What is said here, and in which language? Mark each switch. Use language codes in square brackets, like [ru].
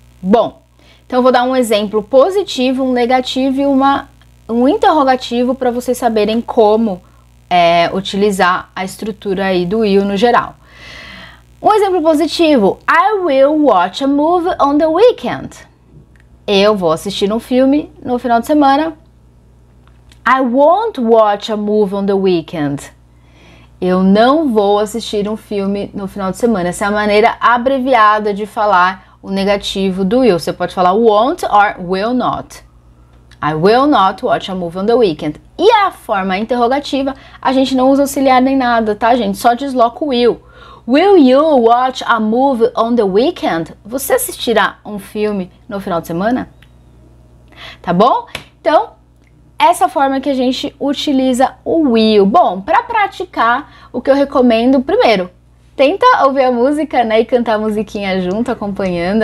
[pt] Bom, então eu vou dar um exemplo positivo, um negativo e um interrogativo para vocês saberem como utilizar a estrutura aí do will no geral. Um exemplo positivo: [en] I will watch a movie on the weekend. [pt] Eu vou assistir um filme no final de semana. [en] I won't watch a movie on the weekend. [pt] Eu não vou assistir um filme no final de semana. Essa é a maneira abreviada de falar o negativo do will. Você pode falar [en] won't or will not. I will not watch a movie on the weekend. [pt] E a forma interrogativa, a gente não usa auxiliar nem nada, tá, gente? Só desloca o will. [en] Will you watch a movie on the weekend? [pt] Você assistirá um filme no final de semana? Tá bom? Então, essa forma que a gente utiliza o will. Bom, para praticar, o que eu recomendo, primeiro, tenta ouvir a música, né, e cantar a musiquinha junto, acompanhando.